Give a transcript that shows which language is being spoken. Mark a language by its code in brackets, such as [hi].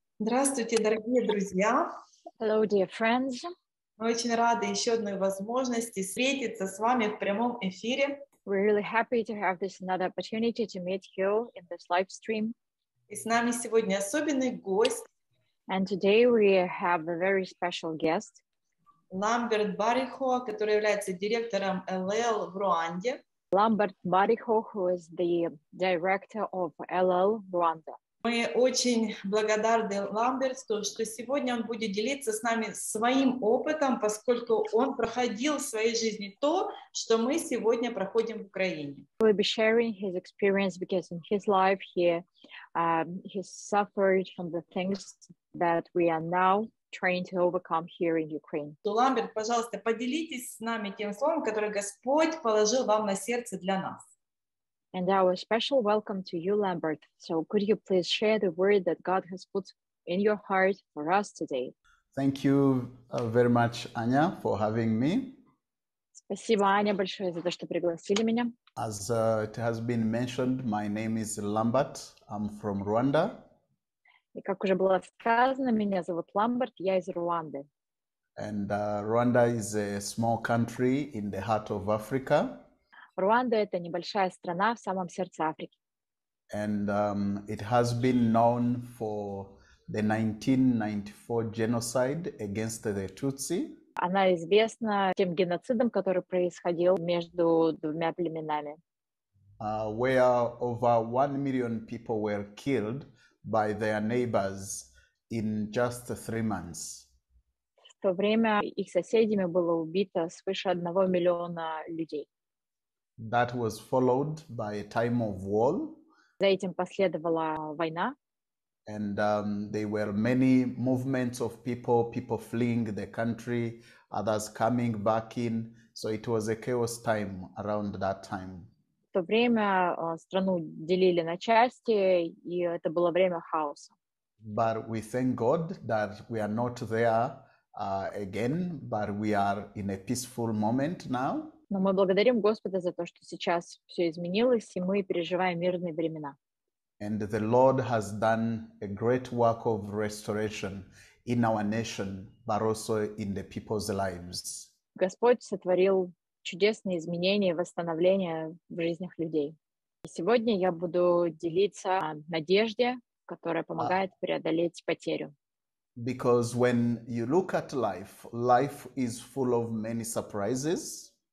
[ru] Здравствуйте, дорогие друзья! [en] Hello, dear friends! [ru] Мы очень рады еще одной возможности встретиться с вами в прямом эфире. [en] We're really happy to have this another opportunity to meet you in this live stream. [ru] И с нами сегодня особенный гость. [en] And today we have a very special guest. [ru] Lambert Bariho, который является директором LL в Руанде. [en] Lambert Bariho, who is the director of LL Rwanda. [ru] Мы очень благодарны Ламберту, что сегодня он будет делиться с нами своим опытом, поскольку он проходил в своей жизни то, что мы сегодня проходим в Украине. [en] We'll be sharing his experience because in his life he suffered from the things that we are now trying to overcome here in Ukraine. [ru] Ламберт, пожалуйста, поделитесь с нами тем словом, которое Господь положил вам на сердце для нас. [en] And our special welcome to you, Lambert. So could you please share the word that God has put in your heart for us today? Thank you very much, Anya, for having me. [ru] Спасибо, Аня, большое за то, что пригласили меня. [en] As it has been mentioned, my name is Lambert. I'm from Rwanda. [ru] И как уже было сказано, меня зовут Ламберт, я из Руанды. [en] And Rwanda is a small country in the heart of Africa. [ru] Руанда — это небольшая страна в самом сердце Африки. [en] And it has been known for the 1994 genocide against the Tutsi. [ru] Она известна тем геноцидом, который происходил между двумя племенами. [en] Where over 1 million people were killed by their neighbors in just 3 months. [ru] В то время их соседями было убито свыше 1 миллиона людей. [en] That was followed by a time of war. За этим последовала война. And there were many movements of people fleeing the country, others coming back in. So it was a chaos time around that time. [ru] В то время страну делили на части, и это было время хаоса. [en] But we thank God that we are not there again, but we are in a peaceful moment now. [ru] Но мы благодарим Господа за то, что сейчас все изменилось, и мы переживаем мирные времена. [en] And the Lord has done a great work of restoration in our nation, but also in the people's lives. [ru] Господь сотворил чудесные изменения и восстановления в жизнях людей. И сегодня я буду делиться надеждой, которая помогает преодолеть потерю. [en] Because when you look at life, life is full of many surprises.